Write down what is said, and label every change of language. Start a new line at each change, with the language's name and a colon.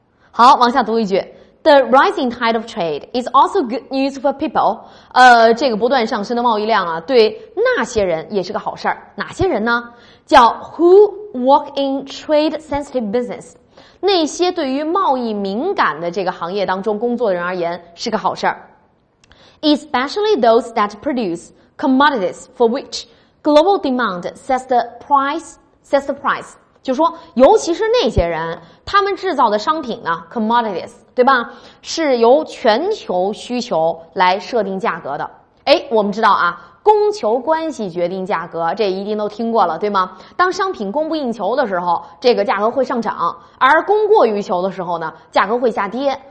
English: 好，往下读一句， the rising tide of trade is also good news for people，
Chinese: 这个不断上升的贸易量啊，对那些人也是个好事。哪些人呢？叫
English: who work in trade sensitive business，
Chinese: 那些对于贸易敏感的这个行业当中工作的人而言是个好事儿。
English: Especially those that produce commodities for which global demand sets the price.
Chinese: 就说尤其是那些人，他们制造的商品呢 ,commodities, 对吧，是由全球需求来设定价格的。诶，我们知道啊，供求关系决定价格，这一定都听过了，对吗？当商品供不应求的时候，这个价格会上涨，而供过于求的时候呢，价格会下跌。